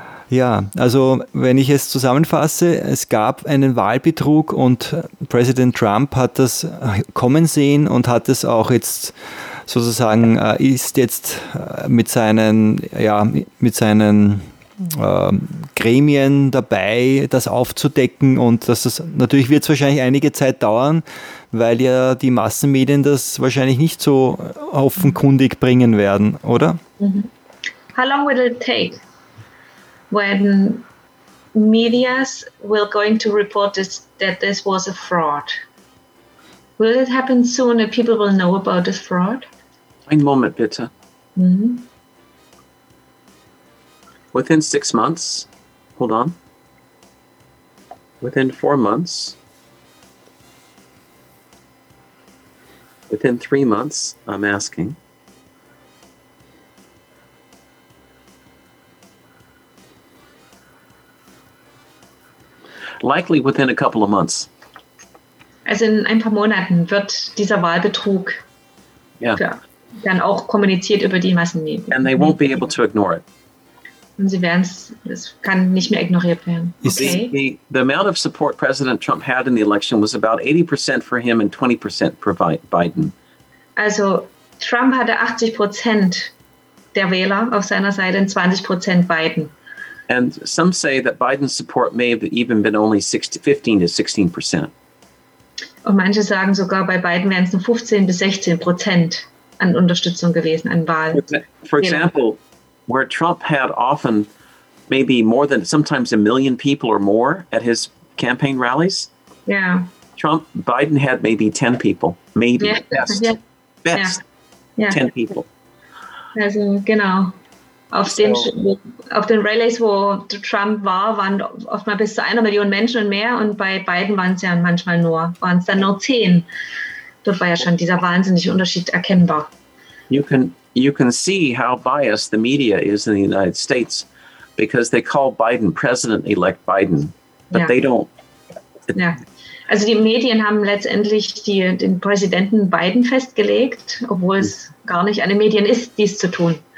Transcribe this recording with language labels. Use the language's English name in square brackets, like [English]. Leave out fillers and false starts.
[German] Ja, also wenn ich es zusammenfasse, es gab einen Wahlbetrug und Präsident Trump hat das kommen sehen und hat es auch jetzt sozusagen, ist jetzt mit seinen Gremien dabei, das aufzudecken und natürlich wird es wahrscheinlich einige Zeit dauern, weil ja die Massenmedien das wahrscheinlich nicht so offenkundig bringen werden, oder? [English] How long will it take? When medias will going to report this, that this was a fraud. Will it happen soon that people will know about this fraud? One moment, bitte. Within 6 months. Hold on. Within 4 months. Within 3 months, I'm asking. Likely within a couple of months. [German] Also in ein paar Monaten wird dieser Wahlbetrug dann auch kommuniziert über die Massenmedien. [English] And they won't be able to ignore it. [German] Und sie werden es kann nicht mehr ignoriert werden. Okay. [English] The amount of support President Trump had in the election was about 80% for him and 20% for Biden. [German] Also Trump hatte 80% der Wähler auf seiner Seite und 20% Biden. [English] And some say that Biden's support may have even been only 15 to 16%. [German] Und manche sagen sogar, bei Biden wären es nur 15 bis 16%. an Unterstützung gewesen, ein Wahl. [English] For example, where Trump had often maybe more than sometimes a million people or more at his campaign rallies. Yeah. Trump, Biden had maybe 10 people, maybe best 10 people. [German] Also genau, auf den Rallies, wo Trump war, waren oft mal bis zu 1 Million Menschen und mehr, und bei Biden waren es ja manchmal nur, waren es dann nur 10. Dort war ja schon dieser wahnsinnige Unterschied erkennbar. [English] You can see how biased the media is in the United States, because they call Biden President-elect Biden, but they don't. [German] Also die Medien haben letztendlich den Präsidenten Biden festgelegt, obwohl es gar nicht an den Medien ist, dies zu tun.